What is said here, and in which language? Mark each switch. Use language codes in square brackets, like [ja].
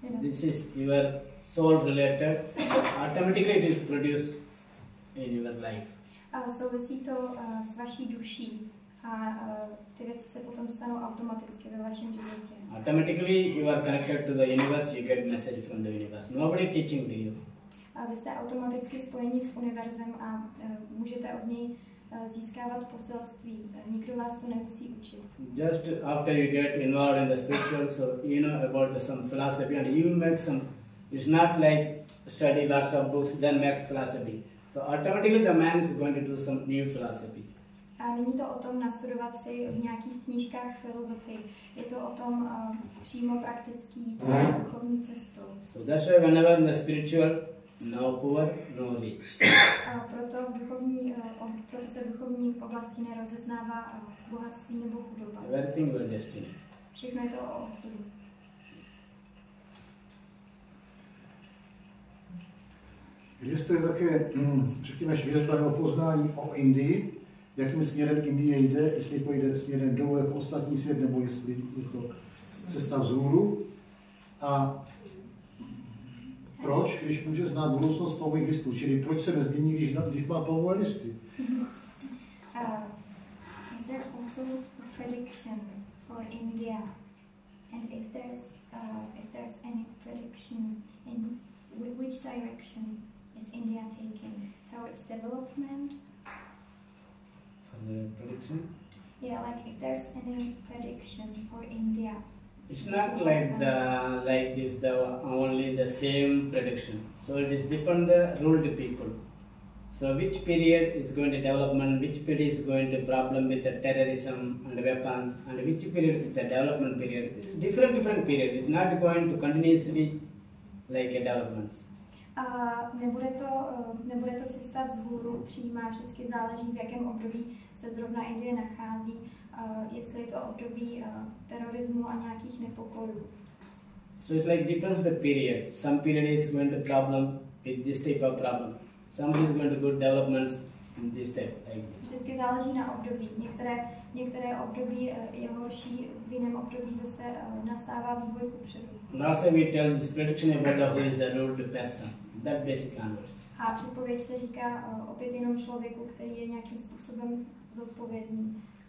[en] This is your soul related, automatically it is produced in your life. [cs] Souvisí to s vaší duší a ty věci se potom stanou automaticky ve vašem životě. [en] Automatically you are connected to the universe, you get message from the universe. Nobody teaching to you. [cs] Vy jste automaticky spojeni s univerzem a můžete od něj získávat poselství. Nikdo vás to nemusí učit. [en] Just after you get involved in the spiritual, so you know about some philosophy and you will make some, it's not like study lots of books, then make philosophy. So automatically the man is going to do some new philosophy. [cs] A není to o tom nastudovat si v nějakých knížkách filozofii. Je to o tom přímo praktický duchovní cestou. [en] So that's why whenever in the spiritual, no poor, no rich. [cs] A proto v duchovní, proto se v duchovní oblasti nerozeznává bohatství nebo chudoba. [en] Everything will destiny. [cs] Všechno je to o osudu. Existuje také, řekněme, švěřba nebo poznání o Indii, jakým směrem Indie jde, jestli to jde směrem dolů jako ostatní svět, nebo jestli je to cesta vzhůru. A proč, když může znát budoucnost palmových listů, čili proč se nezmění, když má palmové listy? [en] Is there also a prediction for India? And if there's any prediction, in which direction is India taking? Towards development? For the prediction? Yeah, like if there's any prediction for India. It's not like the like this the only the same prediction. So it is depend the ruled people. So which period is going to development? Which period is going to problem with the terrorism and weapons? And which period is the development period? It's different period. It's not going to continuously like a developments. [cs] Nebude to cesta vzhůru přímá. Vždycky záleží, v jakém období se zrovna Indie nachází. Jestli je to období terorismu a nějakých nepokojů. [en] So it's like depends the period. Some period is going to problem with this type of problem. Some is going to good developments in this type. [cs] Vždycky záleží na období. Některé období je horší, v jiném období zase nastává vývoj kupředu. [en] Now so we tell this prediction about the who is the ruled person. That basic answers. [cs] A předpověď se říká opět jenom člověku, který je nějakým způsobem zodpovědný.